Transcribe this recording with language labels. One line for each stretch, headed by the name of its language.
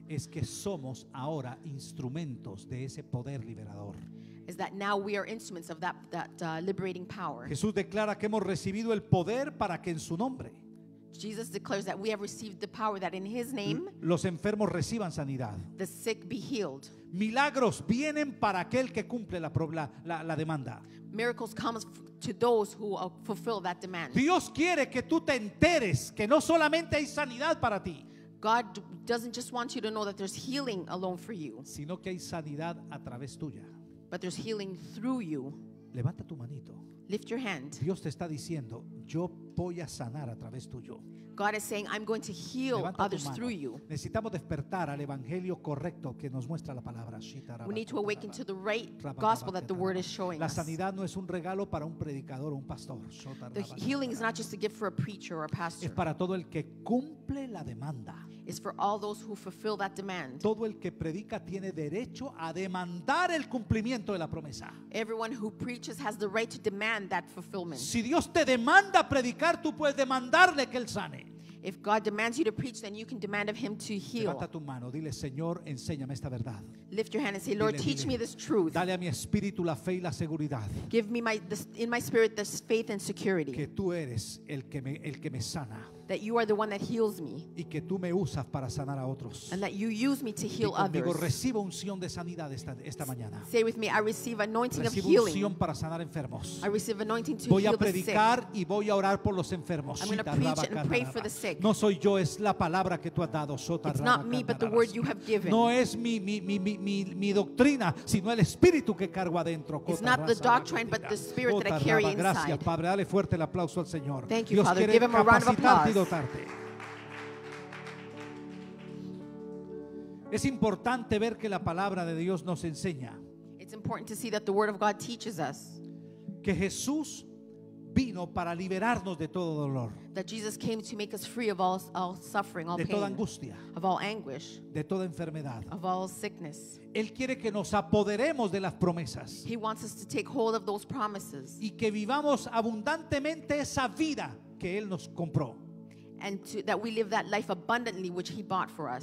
Spanish: Es que somos ahora instrumentos de ese poder liberador.
English: Is that now we are instruments of that liberating power.
Spanish: Jesús declara que hemos recibido el poder para que en su nombre.
English: Jesus declares that we have received the power that in his name
Spanish: los enfermos reciban sanidad.
English: The sick be healed.
Spanish: Milagros vienen para aquel que cumple la demanda.
English: Miracles come to those who fulfill that demand.
Spanish: Dios quiere que tú te enteres que no solamente hay sanidad para ti.
English: God doesn't just want you to know that there's healing alone for you.
Spanish: Sino que hay sanidad a través tuya.
English: But there's healing through you.
Spanish: Levanta tu manito.
English: Lift your hand.
Spanish: Dios te está diciendo, yo voy a sanar a través tuyo.
English: God is saying, I'm going to heal others through you.
Spanish: Necesitamos despertar al evangelio correcto que nos muestra la palabra.
English: We need to awaken to the right gospel that the word is showing us.
Spanish: La sanidad no es un regalo para un predicador o un pastor.
English: The healing is not just a gift for a preacher or a pastor.
Spanish: Es para todo el que cumple la demanda.
English: Is for all those who fulfill that demand.
Spanish: Todo el que predica tiene derecho a demandar el cumplimiento de la promesa.
English: Everyone who preaches has the right to demand that fulfillment.
Spanish: Si Dios te demanda predicar, tú puedes demandarle que él sane.
English: If God demands you to preach, then you can demand of him to heal.
Spanish: Levanta tu mano, dile, Señor, enséñame esta verdad.
English: Lift your hand and say, Lord, teach me this truth.
Spanish: Dale a mi espíritu la fe y la seguridad.
English: Give me in my spirit this faith and security.
Spanish: Que tú eres el que me sana.
English: That you are the one that heals me.
Spanish: Y que tú me usas para sanar a otros.
English: And that you use me to heal
Spanish: conmigo,
English: others.
Spanish: Digo, recibo unción de sanidad esta mañana.
English: Say with me, I receive anointing
Spanish: recibo
English: of healing.
Spanish: Recibo unción para sanar enfermos.
English: I receive anointing to
Spanish: voy
English: heal
Spanish: a predicar
English: the sick.
Spanish: Y voy a orar por los enfermos.
English: I'm going to preach and pray for the sick.
Spanish: No soy yo, es la palabra que tú has dado.
English: It's not me, but the word you have given.
Spanish: No es mi doctrina, sino el espíritu que cargo adentro.
English: It's not the doctrine, but the spirit that I carry inside.
Spanish: Gracias, Padre, dale fuerte el aplauso al Señor.
English: Thank you, Father. Give him a round of applause.
Spanish: Es importante ver que la palabra de Dios nos enseña.
English: It's important to see that the word of God teaches us.
Spanish: Que Jesús vino para liberarnos de todo dolor.
English: That Jesus came to make us free of all suffering, all
Spanish: de
English: pain.
Spanish: De toda angustia.
English: Of all anguish.
Spanish: De toda enfermedad.
English: Of all sickness.
Spanish: Él quiere que nos apoderemos de las promesas.
English: He wants us to take hold of those promises.
Spanish: Y que vivamos abundantemente esa vida que él nos compró.
English: And that we live that life abundantly which he bought for us.